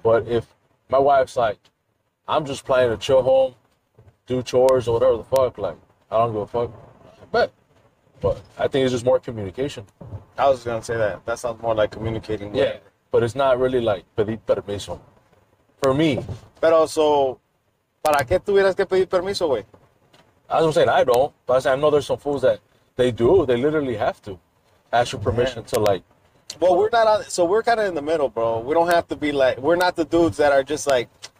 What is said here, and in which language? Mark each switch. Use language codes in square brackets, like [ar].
[en] But if my wife's like, I'm just planning to chill home. Do chores or whatever the fuck, like, I don't give a fuck. But I think it's just more communication. I was gonna say that. That sounds more like communicating. Yeah, but it's not really like [es] pedir permiso. [en] for me. [es] Pero [en] so, [es] ¿para qué tuvieras que pedir permiso, güey? [en] As I'm saying, I don't. But I know there's some fools that they do. They literally have to ask your permission to, like. Well, we're not. So we're kind of in the middle, bro. We don't have to be like. We're not the dudes that are just like.